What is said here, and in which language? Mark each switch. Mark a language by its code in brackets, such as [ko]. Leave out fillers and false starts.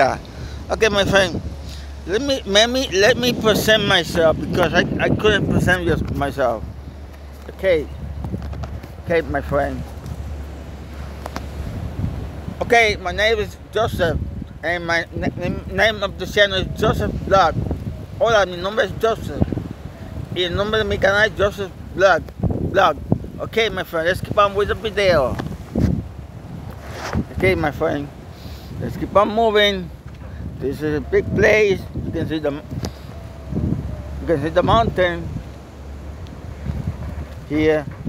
[en] Okay, my friend, let me present myself because I couldn't present myself. Okay, my friend. Okay, my name is Joseph, and my name of the channel is Joseph Vlog. [es] Hola, mi nombre es Joseph. Y el nombre de mi canal es Joseph Vlog. [en] Okay, my friend, let's keep on with the video. Okay, my friend, let's keep on moving. This is a big place. You can see the mountain here.